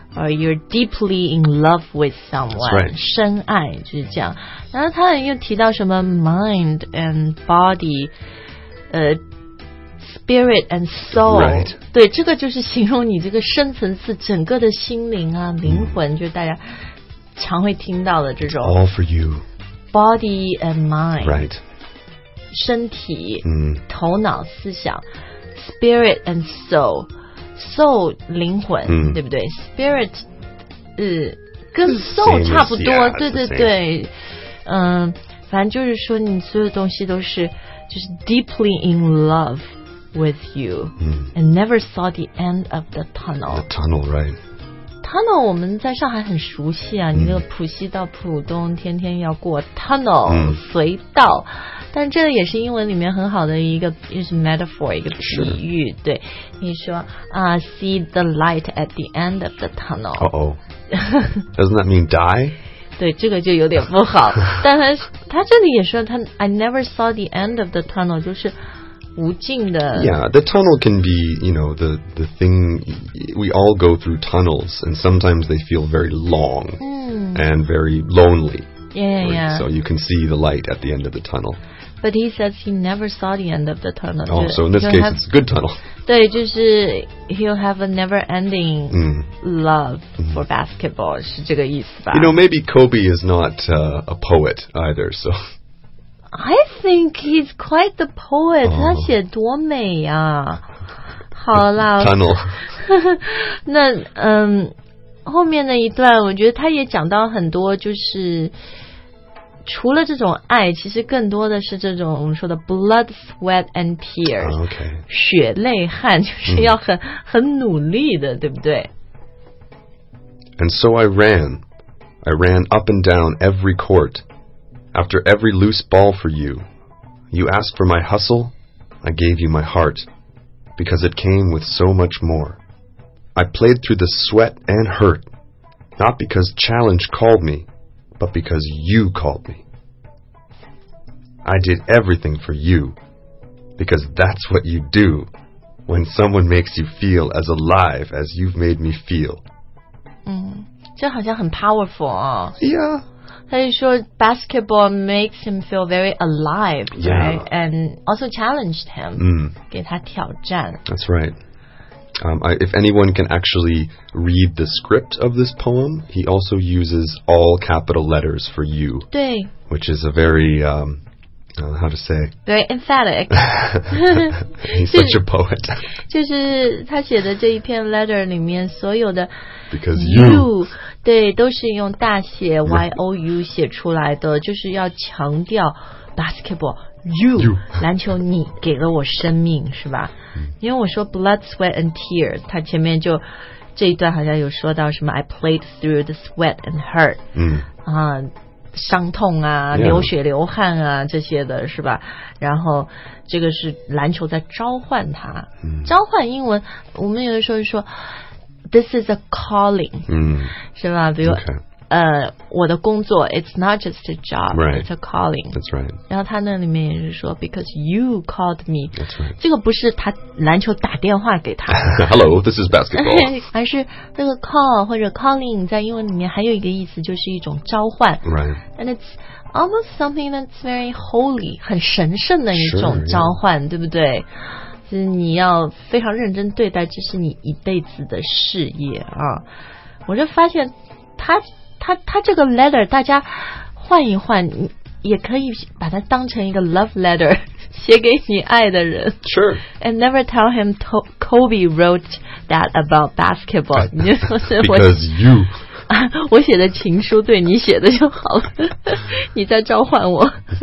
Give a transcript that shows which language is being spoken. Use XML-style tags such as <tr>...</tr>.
<en>Or you're deeply in love with someone. That's right.</en> <zh>深爱就是这样。然后他又提到什么</zh> <en>mind and body, spirit and soul. Right.</en> <zh>对，这个就是形容你这个深层次，整个的心灵啊，灵魂，就是大家常会听到的这种。</zh> <en>It's all for you. Body and mind. Right.</en> <zh>身体、嗯、头脑、思想</zh> <en>spirit and soul， soul</en> <zh>灵魂、嗯、对不对？ spirit 跟 soul 差不多</zh> <en>yeah,</en> <zh>对对对，反正就是说你所有东西都是就是</zh> <en>deeply in love with you、嗯、 and never saw the end of the tunnel the tunnel right</en> <zh>tunnel 我们在上海很熟悉啊、嗯、你那个浦西到浦东天天要过 tunnel、嗯、隧道，但这个也是英文里面很好的一个就是 metaphor 一个比喻，对，你说啊、</zh> <en>see the light at the end of the tunnel doesn't that mean die？</en> <zh>对，这个就有点不好，但他这里也说他</zh> <en>I never saw the end of the tunnel，</en> <zh>就是无尽的。</zh> <en>Yeah, the tunnel can be, you know, the thing, we all go through tunnels, and sometimes they feel very long、 mm. and very lonely. Yeah, yeah, yeah. So you can see the light at the end of the tunnel. But he says he never saw the end of the tunnel. Oh, so in this case, it's a good tunnel.</en> <zh>对，就是</zh> <en>he'll have a never ending、 mm. love for、mm. basketball,</en> <zh>是这个意思吧。</zh> <en>You know, maybe Kobe is not、a poet either, so... I think he's quite the poet、oh.</en> <zh>他写多美啊，好啦</zh> <en>Tunnel</en> <zh>那嗯，后面那一段我觉得他也讲到很多，就是除了这种爱，其实更多的是这种我们说的</zh> <en>blood, sweat and tears、 oh, okay.</en> <zh>血泪汗，就是要很、mm. 很努力的，对不对？</zh> <en>And so I ran up and down every courtAfter every loose ball for you, you asked for my hustle, I gave you my heart, because it came with so much more. I played through the sweat and hurt, not because challenge called me, but because you called me. I did everything for you, because that's what you do when someone makes you feel as alive as you've made me feel.</en> <zh>嗯，这好像很 powerful 哦。</zh> <en>Yeah.</en> <zh>他就说</zh> <en>basketball makes him feel very alive、 yeah. right? and also challenged him、 mm.</en> <zh>给他挑战</zh> <en>that's right、if anyone can actually read the script of this poem he also uses all capital letters for you</en> <zh>对</zh> <en>which is a very、how to say very emphatic he's such a poet</en> <zh>就是他写的这一篇 letter 里面所有的</zh> <en>because you</en> <zh>对，都是用大写 YOU 写出来的，就是要强调 basketball</zh> <en>you</en> <zh>篮球你给了我生命是吧、嗯、因为我说</zh> <en>blood, sweat and tear</en> <zh>他前面就这一段好像有说到什么</zh> <en>I played through the sweat and hurt、嗯</en> <zh>伤痛啊流血流汗啊、</zh> <en>yeah.</en> <zh>这些的是吧，然后这个是篮球在召唤他、嗯、召唤英文我们有的时候说</zh> <en>This is a calling,、 mm.</en> <zh>是吧？比如、</zh> <en>okay.</en> <zh>我的工作</zh> <en>，it's not just a job,、 right. it's a calling. That's right.</en> <zh>然后他那里面也是说 ，</zh> <en>because you called me. That's right.</en> <zh>这个不是他篮球打电话给他。</zh> <en>Hello, this is basketball.</en> <zh>还是这个 call 或者 calling 在英文里面还有一个意思就是一种召唤。</zh> <en>Right. And it's almost something that's very holy,</en> <zh>很神圣的一种召唤，</zh> <en>sure, yeah.</en> <zh>对不对？是你要非常认真对待，这是你一辈子的事业啊！我就发现他这个 letter， 大家换一换，也可以把它当成一个 love letter， 写给你爱的人。</zh> <en>Sure. And never tell him Kobe wrote that about basketball. Because you.</en> <zh>我写的情书对你写的就好了，你在召唤我。</zh>